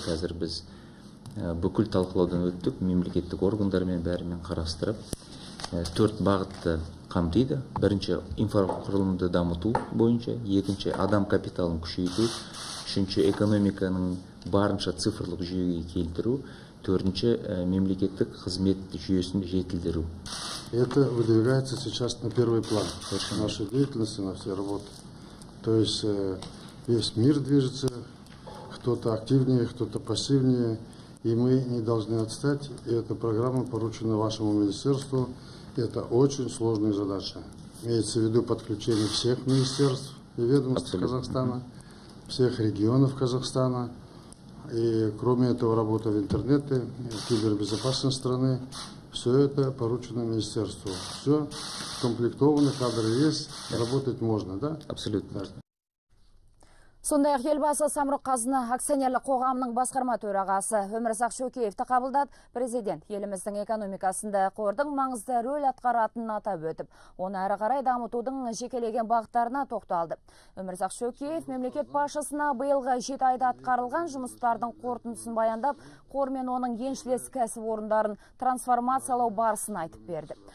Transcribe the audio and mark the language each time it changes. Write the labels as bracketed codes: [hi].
[kk] Қазір біз бүкіл талқылаудан өттік, мемлекеттік органдармен бәрімен қарастырып, төрт бағытты қамтиды. Бірінші, инфрақұрылымды дамыту бойынша, екінші, адам капиталын күшейту, үшінші, экономиканың барынша цифрлық жүйеге келтіру, төртінші, мемлекеттік қызмет жүйесін жетілдіру. [ru] Это выдвигается сейчас на первый план нашей деятельности, на всей работе. То есть весь мир движется, кто-то активнее, кто-то пассивнее. И мы не должны отстать, и эта программа поручена вашему министерству. Это очень сложная задача. Имеется в виду подключение всех министерств и ведомств Абсолютно. Казахстана, всех регионов Казахстана. И кроме этого, работа в интернете, кибербезопасность страны. Все это поручено министерству. Все комплектовано, кадры есть, работать можно, да? Абсолютно. [kk] Сондай-ақ елбасы Самұрық-Қазына акционерлік қоғамының басқарма төрағасы Өмірзақ Шөкеевті қабылдады. Президент еліміздің экономикасында қордың маңызды рөл атқаратынын атап өтіп, оны әрі қарай дамытудың жекелеген бағыттарына тоқталды. Өмірзақ Шөкеев мемлекет басшысына биылғы 7 айда атқарылған жұмыстардың қорытындысын баяндап, қор мен оның еншілес кәсіпорындарын трансформациялау барысын айтып берді.